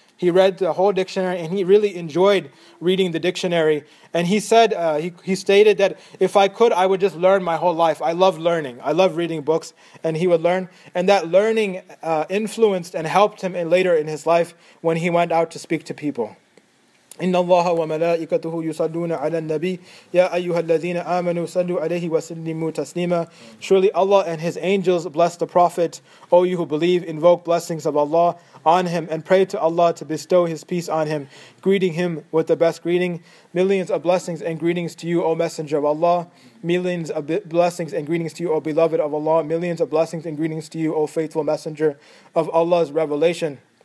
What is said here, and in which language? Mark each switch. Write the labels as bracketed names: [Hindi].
[English] He read the whole dictionary, and he really enjoyed reading the dictionary. And he said, he stated that if I could, I would just learn my whole life. I love learning. I love reading books, and he would learn. And that learning influenced and helped him later in his life when he went out to speak to people. [Arabic] إن الله وملائكته يصلون على النبي يا أيها الذين آمنوا صلوا عليه وسلموا تسليما. [English] Surely Allah and His angels bless the Prophet. O you who believe, invoke blessings of Allah on him and pray to Allah to bestow His peace on him, greeting him with the best greeting. Millions of blessings and greetings to you, O Messenger of Allah. Millions of blessings and greetings to you, O Beloved of Allah. Millions of blessings and greetings to you, O Faithful Messenger of Allah's revelation.